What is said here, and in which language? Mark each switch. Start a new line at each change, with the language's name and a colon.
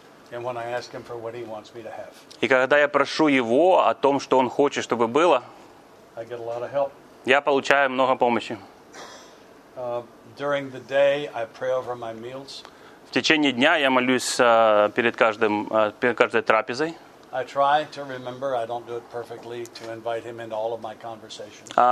English: And when I ask him for what he wants me to have.
Russian: И когда я прошу его о том, что он хочет, чтобы было,
English: I get a lot of help.
Russian: Я получаю много помощи.
English: During the day I pray over my meals.
Russian: В течение дня я молюсь перед каждой трапезой.
English: I try to remember, I don't do it perfectly, to invite him into all of my conversations.